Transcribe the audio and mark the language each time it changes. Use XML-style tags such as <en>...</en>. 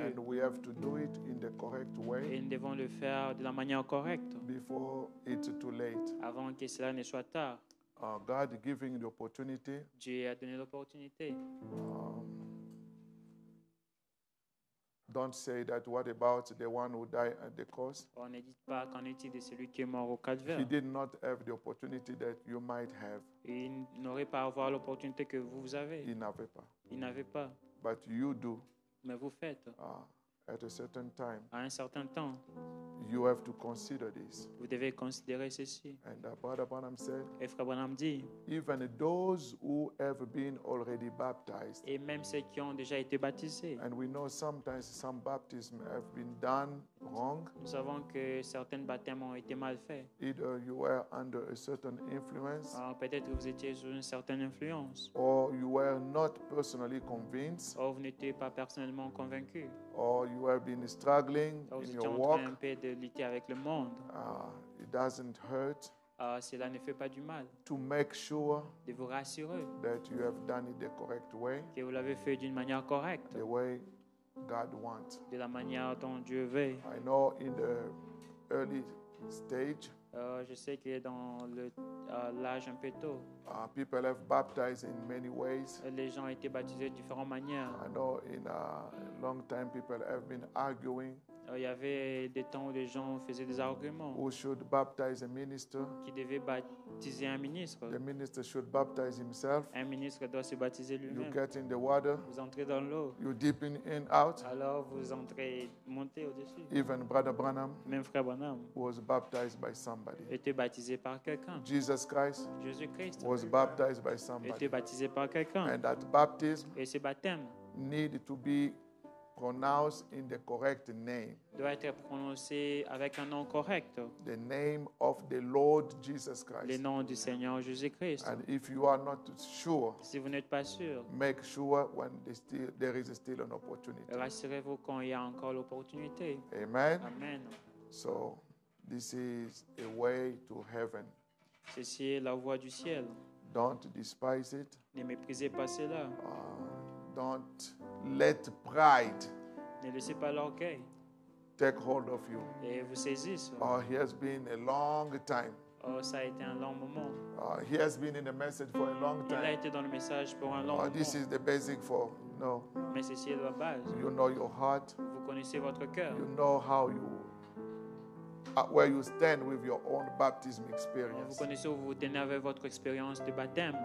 <en>And we have to do it in the correct way.</en> <fr>Et nous devons le faire de la manière correcte.</fr> <en>Before it's too late.</en> <fr>Avant que cela ne soit tard.</fr> <en>God giving the opportunity.</en> <fr>Dieu a donné l'opportunité.</fr> <en>Don't say that. What about the one who died at the cross?</en> <fr>On ne dit pas qu'en est-il de celui qui est mort au calvaire.</fr> <en>He did not have the opportunity that you might have.</en> <fr>Il n'aurait pas avoir l'opportunité que vous avez. Il n'avait pas. Il n'avait pas.</fr> <en>But you do.</en> <fr>Mais vous faites.</fr> <en>At a certain time.</en> <fr>À un certain temps.</fr> <en>You have to consider this.</en> <fr>Vous devez considérer ceci.</fr> <en>And Brother Branham said.</en> <fr>Et Frère Branham dit.</fr> <en>Even those who have been already baptized.</en> <fr>Et même ceux qui ont déjà été baptisés.</fr> <en>And we know sometimes some baptisms have been done wrong.</en> <fr>Nous savons que certains baptêmes ont été mal faits.</fr> <en>Either you were under a certain influence.</en> <fr>Alors peut-être que vous étiez sous une certaine influence.</fr> <en>Or you were not personally convinced.</en> <fr>Ou vous n'étiez pas personnellement convaincu.</fr> <en>Or you have been struggling in your walk.</en> <fr>De lutter avec le monde.</fr> <en>It doesn't hurt.</en> <fr>Cela ne fait pas du mal.</fr> <en>To make sure.</en> <fr>De vous rassurer.</fr> <en>That you have done it the correct way.</en> <fr>Que vous l'avez fait d'une manière correcte.</fr> <en>The way God wants.</en> <fr>De la manière dont Dieu veut.</fr> <en>I know in the early stage.</en> <fr>Je sais qu'il est dans le l'âge un peu tôt.</fr> <en>People have baptized in many ways.</en> <fr>Les gens ont été baptisés de différentes manières.</fr> <en>I know in a long time people have been arguing.</en> <fr>Il y avait des temps où les gens faisaient des arguments.</fr> <en>Who should baptize a minister?</en> <fr>Qui devait baptiser un ministre?</fr> <en>The minister should baptize himself.</en> <fr>Un ministre doit se baptiser lui-même.</fr> <en>You get in the water.</en> <fr>Vous entrez dans l'eau.</fr> <en>You deepen in out.</en> <fr>Alors vous entrez monter au-dessus.</fr> <en>Even Brother Branham.</en> <fr>Même Frère Branham.</fr> <en>Was baptized by somebody.</en> <fr>Était baptisé par quelqu'un.</fr> <en>Jesus Christ.</en> <fr>Jésus Christ.</fr> <en>Was baptized by somebody.</en> <fr>Était baptisé par quelqu'un.</fr> <en>And that baptism.</en> <fr>Et ce baptême.</fr> <en>Need to be pronounced in the correct name.</en> <fr>Doit être prononcé avec un nom correct.</fr> <en>The name of the Lord Jesus Christ.</en> <fr>Le nom du Seigneur Jésus Christ.</fr> <en>And if you are not sure,</en> <fr>si vous n'êtes pas sûr,</fr> <en>make sure when there is still an opportunity.</en> <fr>Rassurez-vous quand il y a encore l'opportunité.</fr> <en>Amen. Amen. So, this is a way to heaven.</en> <fr>Ceci est la voie du ciel.</fr> <en>Don't despise it.</en> <fr>Ne méprisez pas cela.</fr> <en>Don't let pride.</en> <fr>Ne laissez pas l'orgueil.</fr> <en>Take hold of you.</en> <fr>Et vous saisisse.</fr> <en>He has been a long time.</en> <fr>Oh, ça a été un long moment.</fr> <en>He has been in the message for a long time.</en> <fr>Il a été dans le message pour un long moment.</fr> <en>This is the basic for no.</en> <fr>Mais ceci est la base.</fr> <en>You know your heart.</en> <fr>Vous connaissez votre cœur.</fr> <en>You know how you where you stand with your own baptism experience.</en> <fr>Vous connaissez où vous tenez avec votre expérience de baptême.</fr>